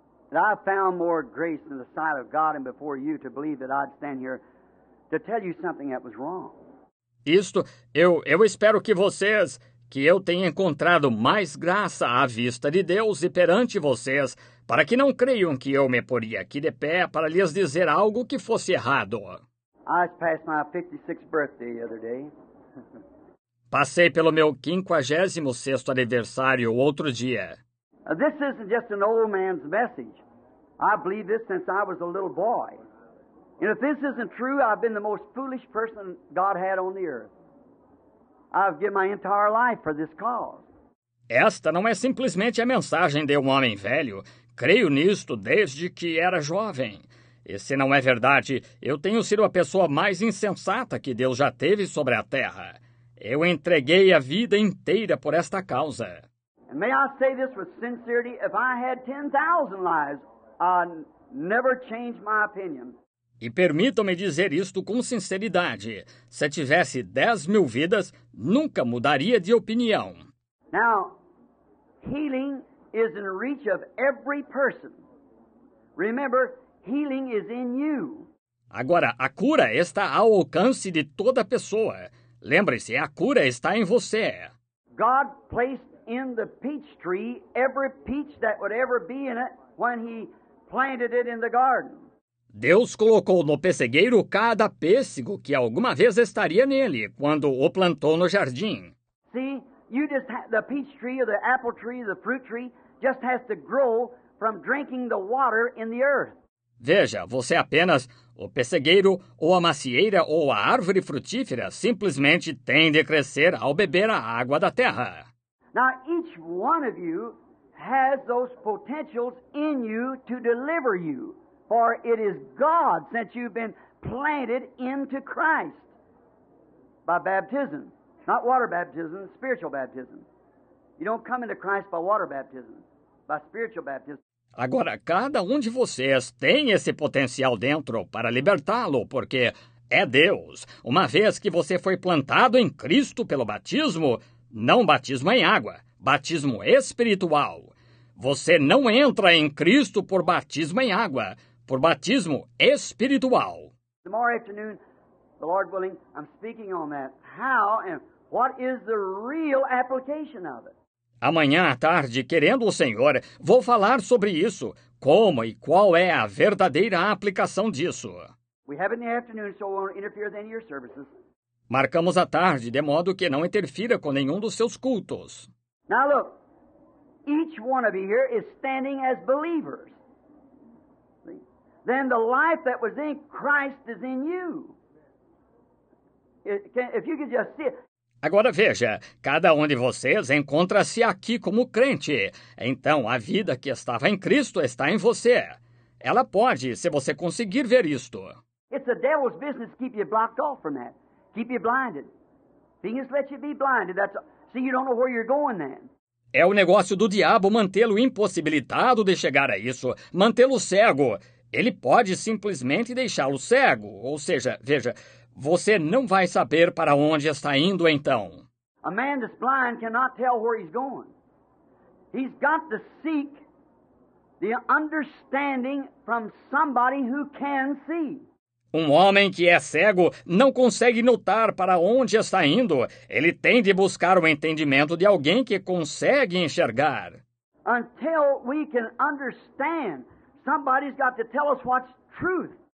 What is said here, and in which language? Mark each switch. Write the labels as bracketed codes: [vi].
[en] that I found more grace in the sight of God and before you to believe that I'd stand here to tell you something that was wrong. [pt] Isto, eu espero que vocês, que eu tenha encontrado mais graça à vista de Deus e perante vocês, para que não creiam que eu me poria aqui de pé para lhes dizer algo que fosse errado. [en] I just passed my 56th birthday the other day. [pt] Passei pelo meu 56º aniversário outro dia. [en] This isn't just an old man's message. I believe this since I was a little boy. And if this isn't true, I've been the most foolish person God had on the earth. I've given my entire life for this cause. [pt] Esta não é simplesmente a mensagem de um homem velho. Creio nisto desde que era jovem. E se não é verdade, eu tenho sido a pessoa mais insensata que Deus já teve sobre a Terra. Eu entreguei a vida inteira por esta causa. [en] May I say this with sincerity, if I had 10,000 lives, I'd never change my opinion. [pt] E permitam-me dizer isto com sinceridade. Se tivesse 10,000 vidas, nunca mudaria de opinião. [en] Now, healing is in reach of every person. Remember, healing is in you. [pt] Agora, a cura está ao alcance de toda pessoa. Lembre-se, a cura está em você. [en] God placed in the peach tree every peach that would ever be in it when he planted it in the garden. [pt] Deus colocou no pessegueiro cada pêssego que alguma vez estaria nele quando o plantou no jardim. [en] See, you just have the peach tree or the apple tree or the fruit tree just has to grow from drinking the water in the earth. [pt] Veja, você apenas, o pessegueiro ou a macieira ou a árvore frutífera simplesmente tem de crescer ao beber a água da terra. [en] Now, each one of you has those potentials in you to deliver you, for it is God since you've been planted into Christ by baptism, not water baptism, spiritual baptism. You don't come into Christ by water baptism, by spiritual baptism. [pt] Agora, cada de vocês tem esse potencial dentro para libertá-lo, porque é Deus. Uma vez que você foi plantado em Cristo pelo batismo... Não batismo em água, batismo espiritual. Você não entra em Cristo por batismo em água, por batismo espiritual. [en] Tomorrow afternoon, the Lord willing, I'm speaking on that. How and what is the real application of it? [pt] Amanhã à tarde, querendo o Senhor, vou falar sobre isso. Como e qual é a verdadeira aplicação disso? [en] We have it in the afternoon, so we won't interfere with any of your services. [pt] Marcamos a tarde, de modo que não interfira com nenhum dos seus cultos. [en] Now look, each one of you here is standing as believers. Then the life that was in Christ is in you. If you could just see it. [pt] Agora veja, cada um de vocês encontra-se aqui como crente. Então a vida que estava em Cristo está em você. Ela pode, se você conseguir ver isto. [en] It's the devil's business to keep you blocked off from that. Keep you blinded. Being is let you be blinded. That's see, you don't know where you're going then. [pt] É o negócio do diabo mantê-lo impossibilitado de chegar a isso, mantê-lo cego. Ele pode simplesmente deixá-lo cego. Ou seja, veja, você não vai saber para onde está indo então. [en] A man that's blind cannot tell where he's going. He's got to seek the understanding from somebody who can see. [pt] Um homem que é cego não consegue notar para onde está indo. Ele tem de buscar o entendimento de alguém que consegue enxergar. [en] Until we can understand, somebody's got to tell us what's truth.